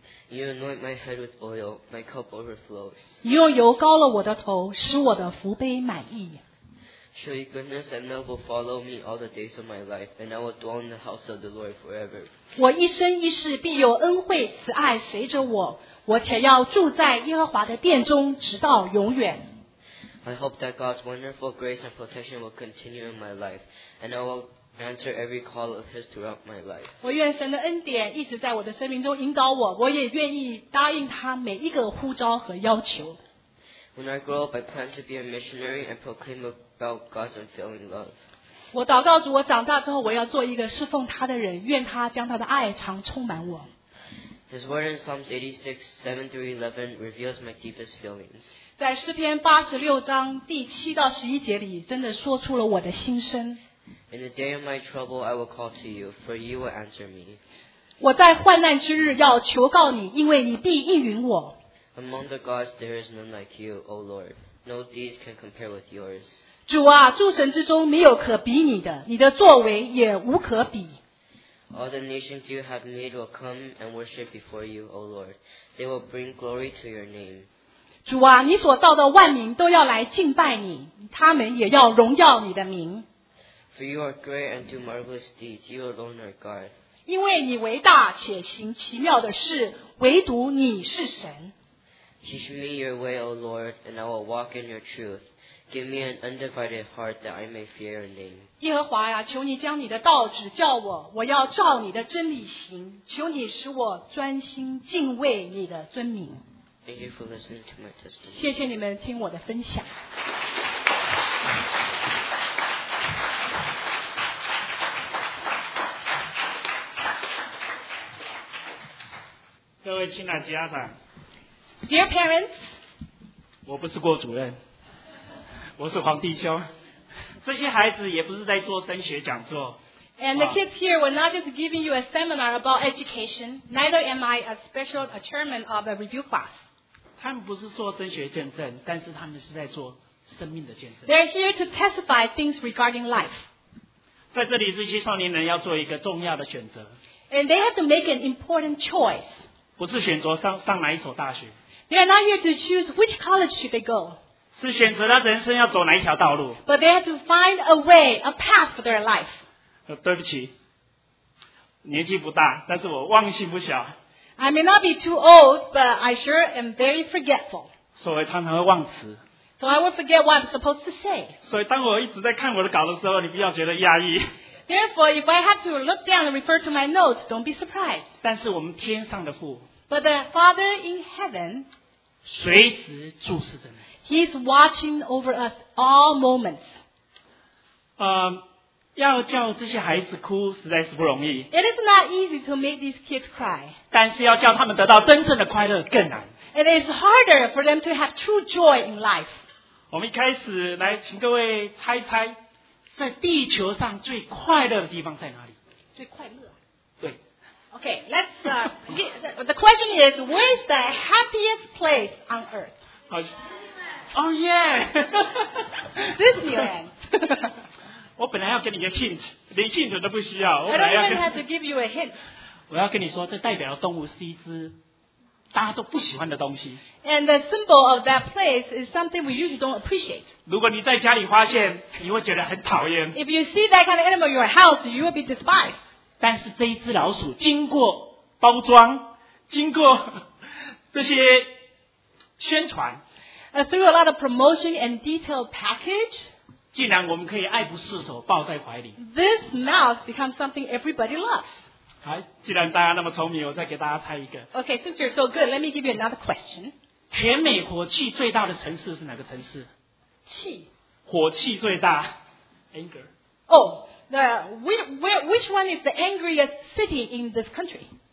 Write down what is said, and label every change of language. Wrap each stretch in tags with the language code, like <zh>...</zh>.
<en>You anoint my head with oil, my cup overflows.</en> <zh>你用油膏了我的头，使我的福杯满溢。</zh> <en>Surely goodness and love will follow me all the days of my life, and I will dwell in the house of the Lord forever.</en> <zh>我一生一世必有恩惠慈爱随着我，我且要住在耶和华的殿中，直到永远。</zh> <en>I hope that God's wonderful grace and protection will continue in my life, and I will answer every call of His throughout my life.</en> <zh>我愿神的恩典一直在我的生命中引导我，我也愿意答应他每一个呼召和要求。</zh> <en>When I grow up, I plan to be a missionary and proclaim about God's unfailing love.</en> <zh>我祷告主，我长大之后，我要做一个侍奉他的人，愿他将他的爱常充满我。</zh> <en>His word in Psalms 86:7-11 reveals my deepest feelings.</en> <zh>在诗篇八十六章第七到十一节里，真的说出了我的心声。</zh> <en>In the day of my trouble, I will call to you, for you will answer me.</en> <zh>我在患难之日要求告你，因为你必应允我。</zh> <en>Among the gods, there is none like you, O Lord. No deeds can compare with yours.</en> <zh>主啊，诸神之中没有可比你的，你的作为也无可比。</zh> <en>All the nations you have made will come and worship before you, O Lord. They will bring glory to your name.</en> <zh>主啊，你所造的万民都要来敬拜你，他们也要荣耀你的名。</zh> <en>For you are great and do marvelous deeds, you alone are God.</en> <zh>因为你为大且行奇妙的事，唯独你是神。</zh> <en>Teach me your way, O Lord, and I will walk in your truth. Give me an undivided heart that I may fear your name.</en> <zh>耶和华呀，求你将你的道指教我，我要照你的真理行。求你使我专心敬畏你的尊名。</zh> <en>Thank you for listening to my testimony.</en> <zh>谢谢你们听我的分享。各位亲爱的家长</zh> <en>，Dear parents，</en> <zh>我不是郭主任，我是黄弟兄。这些孩子也不是在做升学讲座。</zh> <en>And the kids here were not just giving you a seminar about education. Neither am I a special chairman of a review class.</en> <zh>他们不是做升学见证，但是他们是在做生命的见证。</zh> <en>They're here to testify things regarding life.</en> <zh>在这里，这些少年人要做一个重要的选择。</zh> <en>And they have to make an important choice.</en> <zh>不是选择 上哪一所大学。</zh> <en>They are not here to choose which college should they go.</en> <zh>是选择他人生要走哪一条道路。</zh> <en>But they have to find a way, a path for their life.</en> <zh>对不起，年纪不大，但是我忘性不小。</zh> <en>I may not be too old, but I sure am very forgetful.</en> <zh>所以常常会忘词。</zh> <en>So I will forget what I'm supposed to say.</en> <zh>所以当我一直在看我的稿的时候，你不要觉得压抑。</zh> <en>Therefore, if I have to look down and refer to my notes, don't be surprised.</en> <zh>但是我们天上的父</zh> <en>But the Father in heaven,</en> <zh>随时注视着你</zh> <en>He's watching over us all moments.</en> <zh>要叫这些孩子哭实在是不容易。</zh> <en>It is not easy to make these kids cry.</en> <zh>但是要叫他们得到真正的快乐更难。</zh> <en>It is harder for them to have true joy in life.</en> <zh>我们一开始来请各位猜猜在地球上最快乐的地方在哪里。最快乐。对。</zh> <en>Okay, let's, the question is, where is the happiest place on earth? Oh yeah! Disneyland.</en> <zh>我本来要给你一个 hint, 连 hint 都不需要。</zh> <en>I don't even have to give you a hint.</en> <zh>我要跟你说，这代表的动物是一只大家都不喜欢的东西。</zh> <en>And the symbol of that place is something we usually don't appreciate.</en> <zh>如果你在家里发现，你会觉得很讨厌。</zh> <en>If you see that kind of animal in your house, you will be despised.</en> <zh>但是这一只老鼠经过包装，经过这些宣传</zh> <en>，through a lot of promotion and detailed package.</en> <zh>竟然我们可以爱不释手抱在怀里。</zh> <en>This mouse becomes something everybody loves.</en> <zh>好，既然大家那么聪明，我再给大家猜一个。</zh> <en>Okay, since you're so good, let me give you another question.</en> <zh>全美火气最大的城市是哪个城市？气。火气最大。Anger.</zh> <en>Oh, the which one is the angriest city in this country?</en>